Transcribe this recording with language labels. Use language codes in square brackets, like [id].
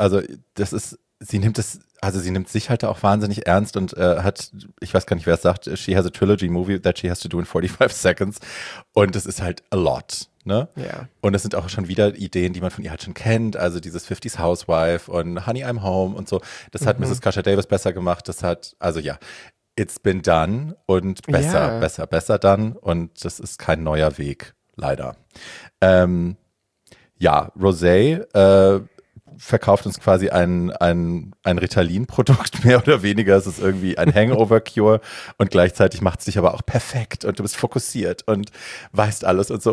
[de] Also das ist, sie nimmt es, also sie nimmt sich halt auch wahnsinnig ernst und hat, ich weiß gar nicht, wer es sagt, [en] she has a trilogy movie that she has to do in 45 seconds. [de] Und es ist halt [en] a lot, [de] ne? Ja. Und es sind auch schon wieder Ideen, die man von ihr halt schon kennt. Also dieses 50s Housewife und Honey, I'm Home und so. Das hat Mrs. Kasha Davis besser gemacht. Das hat, also ja, [en] it's been done [de] und besser, besser done. Und das ist kein neuer Weg. Leider. Ja, Rosé verkauft uns quasi ein Ritalin-Produkt, mehr oder weniger. Es ist irgendwie ein Hangover-Cure und gleichzeitig macht es dich aber auch perfekt und du bist fokussiert und weißt alles und so.